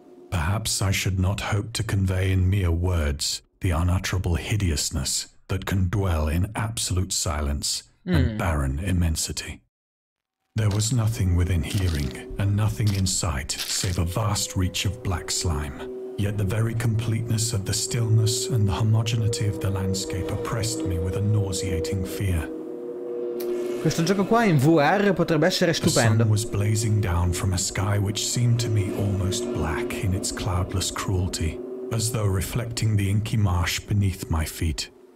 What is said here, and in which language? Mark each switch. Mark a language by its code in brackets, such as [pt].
[en] Perhaps I should not hope to convey in mere words the unutterable hideousness that can dwell in absolute silence and barren immensity. There was nothing within hearing and nothing in sight save a vast reach of black slime. Yet the very completeness of the stillness and the homogeneity of the landscape oppressed me with a nauseating fear. [it] Questo gioco qua in VR potrebbe essere stupendo. [en] The sun was blazing down from a sky which seemed to me almost black in its cloudless cruelty, as though reflecting the inky marsh beneath my feet.